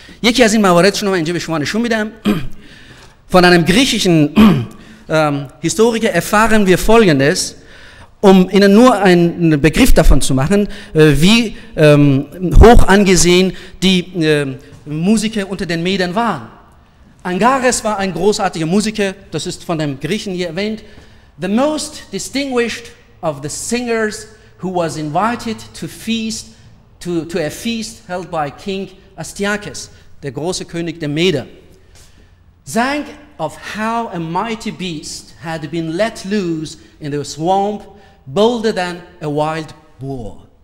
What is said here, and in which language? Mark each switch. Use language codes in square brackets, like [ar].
[fa] یکی از این مواردشون رو من اینجا به شما نشون میدم. [de] Von einem griechischen Historiker erfahren wir folgendes, um Ihnen nur einen Begriff davon zu machen, wie hoch angesehen die Musiker unter den Medern waren. Angares war ein großartiger Musiker, das ist von dem Griechen hier erwähnt. [en] The most distinguished of the singers who was invited to feast, to a feast held by King Astyages, [de] der große König der Meder, [en] sang of how a mighty beast had been let loose in the swamp, bolder than a wild boar.